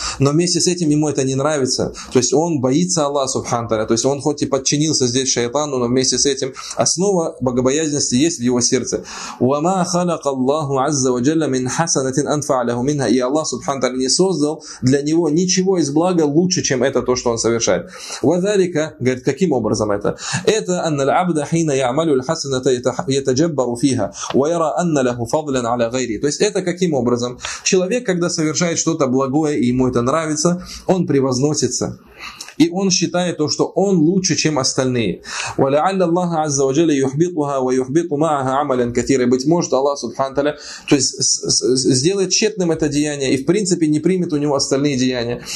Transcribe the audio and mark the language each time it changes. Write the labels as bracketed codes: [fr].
[ru] Но вместе с этим ему это не нравится. То есть он боится Аллаха, субхану тааля. То есть он хоть и подчинился здесь шайтану, но вместе с этим основа богобоязненности есть в его сердце. [ar] وَمَا خَلَقَ اللَّهُ عَزَّ وَجَلَّ مِنْ حَسَنَةٍ أَنْفَعَ لَهُ مِنْهَا. [ru] И Аллах, субхану тааля, не создал для него ничего из блага лучше, чем это то, что он совершает. وَذَلِكَ, говорит, каким образом это? [ar] Это أن العبد حين يعمل الحسنة يتجبر فيها ويرى أن له فضلا على غيره. [ru] То есть это каким образом? Человек, когда совершает что-то благое и ему это нравится, он превозносится. И он считает то, что он лучше, чем остальные. [ar] وَلَعَلَّ اللَّهَ عَزَّ وَجَلَّ يُحْبِطُهَا وَيُحْبِطُ مَعَهَا عَمَلًا كَثِيرًا. [ru] Быть может, Аллах, субхану тааля, то есть сделает тщетным это деяние и, в принципе, не примет у него остальные деяния.